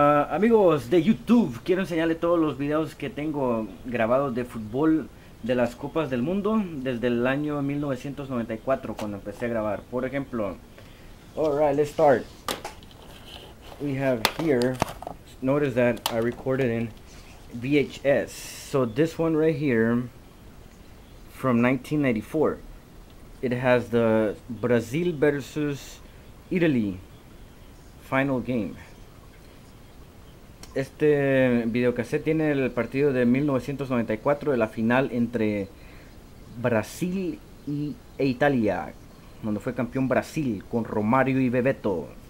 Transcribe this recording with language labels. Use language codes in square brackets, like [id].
[es] Amigos de YouTube, quiero enseñarle todos los videos que tengo grabados de fútbol de las Copas del Mundo desde el año 1994 cuando empecé a grabar. Por ejemplo, [en] alright, let's start. We have here, notice that I recorded in VHS. So this one right here from 1994. It has the Brazil versus Italy final game. [es] Este videocassette tiene el partido de 1994, de la final entre Brasil e Italia, donde fue campeón Brasil con Romario y Bebeto.